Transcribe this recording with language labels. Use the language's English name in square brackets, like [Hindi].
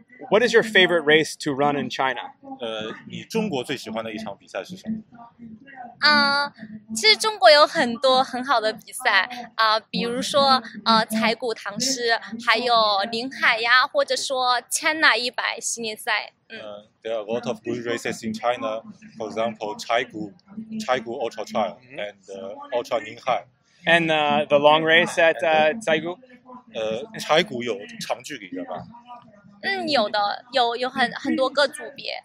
[English] What is your favorite race to run in China? [Chinese] 你中国最喜欢的一场比赛是什么？其实中国有很多很好的比赛比如说柴谷唐诗，还有林海呀，或者说千纳一百系列赛。 [English] There are a lot of good races in China. For example, 柴谷 Ultra Trail and Ultra 林海。 And the long race at 柴谷？ [Chinese] 柴谷有长距离的吧？有的，有很多个组别。